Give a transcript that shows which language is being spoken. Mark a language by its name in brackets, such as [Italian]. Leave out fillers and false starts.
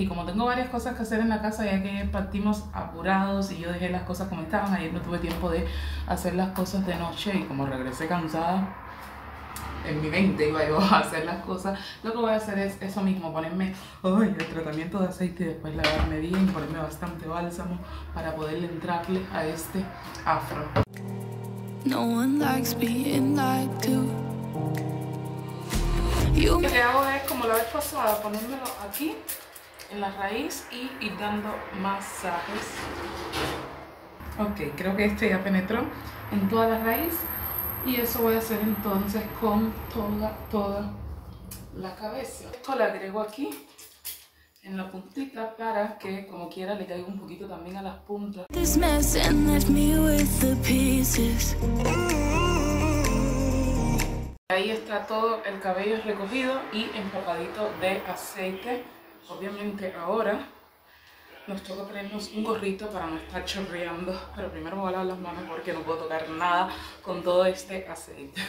[Spanish] Y como tengo varias cosas que hacer en la casa, ya que partimos apurados y yo dejé las cosas como estaban, ayer no tuve tiempo de hacer las cosas de noche, y como regresé cansada, en mi mente iba yo a hacer las cosas. Lo que voy a hacer es eso mismo, ponerme el tratamiento de aceite y después lavarme bien, ponerme bastante bálsamo para poder entrarle a este afro. [English] No one likes being like you. [Spanish] Lo que hago es, como la vez pasada, ponérmelo aquí en la raíz y ir dando masajes. Ok, creo que este ya penetró en toda la raíz, y eso voy a hacer entonces con toda la cabeza. Esto lo agrego aquí en la puntita para que, como quiera, le caiga un poquito también a las puntas. [English] This mess and left me with the pieces. [Spanish] Ahí está todo el cabello recogido y empapadito de aceite. Obviamente ahora nos toca ponernos un gorrito para no estar chorreando, pero primero me voy a lavar las manos porque no puedo tocar nada con todo este aceite.